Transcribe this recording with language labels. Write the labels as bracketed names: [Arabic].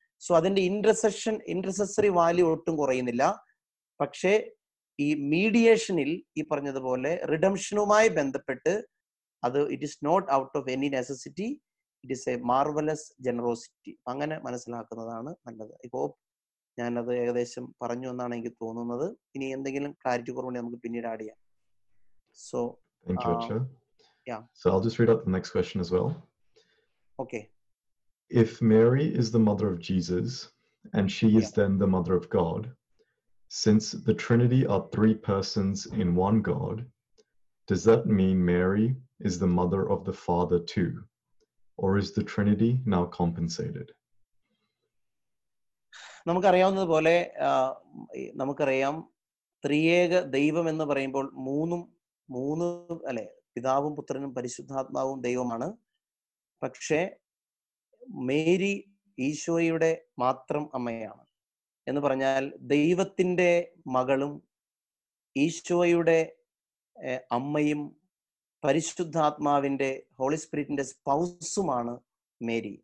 [Malayalam] So അതിന്റെ intercessory value ഒട്ടും കുറയുന്നില്ല. പക്ഷേ ഈ മീഡിയേഷനിൽ ഈ പറഞ്ഞതുപോലെ റിഡംഷനുമായി ബന്ധപ്പെട്ട് അത് [English] It is not out of any necessity, it is a marvellous generosity. [Malayalam] അങ്ങനെ മനസ്സിലാക്കുന്നതാണ് നല്ലത്. [English] I hope [Malayalam] ഞാനത് ഏകദേശം പറഞ്ഞു എന്നാണ് എനിക്ക് തോന്നുന്നത്. ഇനി എന്തെങ്കിലും ക്ലാരിറ്റി കുറവുണ്ടെങ്കിൽ നമുക്ക് പിന്നീട് ആഡ് ചെയ്യാം. So [English] I will just read out the next question as well. Okay. If Mary is the mother of Jesus and she is then the mother of God, since the Trinity are three persons in one God, does that mean Mary is the mother of the Father too? Or is the Trinity now compensated? [Malayalam] നമുക്കറിയാവുന്നതുപോലെ നമുക്കറിയാം ത്രിയേക ദൈവം എന്ന് പറയുമ്പോൾ മൂന്ന് അല്ലെ, പിതാവും പുത്രനും പരിശുദ്ധാത്മാവും ദൈവമാണ്. പക്ഷേ മേരി ഈശോയുടെ മാത്രം അമ്മയാണ് എന്ന് പറഞ്ഞാൽ ദൈവത്തിൻ്റെ മകളും ഈശോയുടെ അമ്മയും പരിശുദ്ധാത്മാവിൻ്റെ ഹോളി സ്പിരിറ്റിൻ്റെ സ്പൗസുമാണ് മേരി.